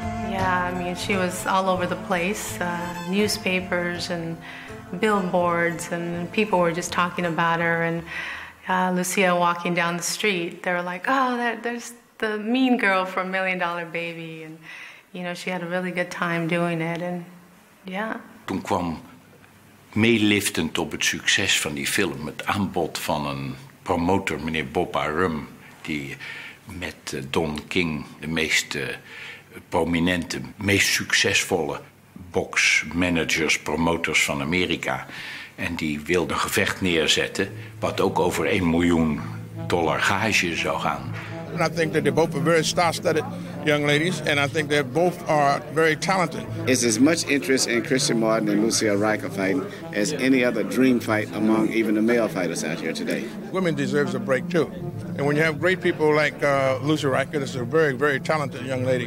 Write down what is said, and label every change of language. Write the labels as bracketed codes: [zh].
[en] Yeah, I mean, she was all over the place. Newspapers and billboards and people were just talking about her. And Lucia walking down the street, they were like, oh, there's the mean girl from Million Dollar Baby. And, you know, she had a really good time doing it. And yeah. [nl] Toen kwam meeliftend op het succes van die film het aanbod van een promotor, meneer Bob Arum, die met Don King de meest prominente, meest succesvolle boxmanagers, promotors van Amerika. En die wilde een gevecht neerzetten, wat ook over 1 miljoen dollar gage zou gaan. [en] And I think that they're both very star-studded young ladies, and I think they both are very talented. It's as much interest in Christian Martin and Lucille Riker fighting as any other dream fight among even the male fighters out here today. Women deserves a break, too. And when you have great people like Lucille Riker, this is a very, very talented young lady.